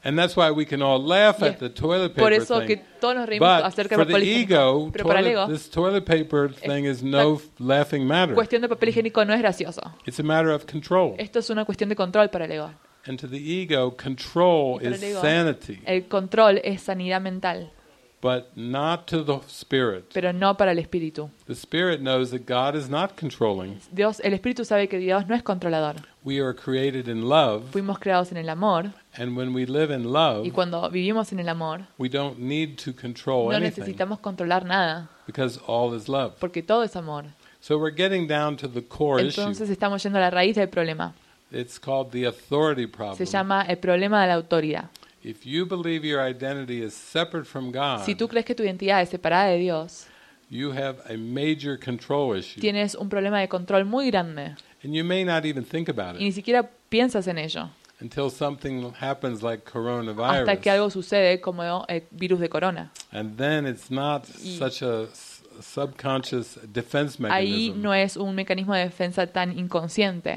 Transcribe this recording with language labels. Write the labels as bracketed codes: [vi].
[en] And that's why we can all laugh at the toilet paper thing. [es] Por eso [en] thing. [es] Que todos nos reímos acerca del papel higiénico. Pero para el ego, [en] this toilet paper thing is no laughing matter. [es] Cuestión de papel higiénico no es gracioso. [en] It's a matter of control. [es] Esto es una cuestión de control para el ego. [en] And to the ego, control is sanity. [es] El control es sanidad mental. [en] But not to the spirit. [es] Pero no para el espíritu. [en] The spirit knows that God is not controlling. [es] Dios, el espíritu sabe que Dios no es controlador. [en] We are created in love. [es] Fuimos creados en el amor. [en] And when we live in love, [es] y cuando vivimos en el amor, [en] we don't need to control anything. [es] No necesitamos controlar nada. [en] Because all is love. [es] Porque todo es amor. [en] So we're getting down to the core issue. [es] Entonces estamos yendo a la raíz del problema. [en] It's called the authority problem. [es] Se llama el problema de la autoridad. [en] If you believe your identity is separate from God, [es] si tú crees que tu identidad es separada de Dios, [en] you have a major control issue. [es] Tienes un problema de control muy grande. [en] And you may not even think about it. [es] Y ni siquiera piensas en ello. [en] Until something happens like coronavirus. [es] Hasta que algo sucede como el virus de corona. [en] And then it's not such a subconscious defense mechanism. [es] Ahí no es un mecanismo de defensa tan inconsciente.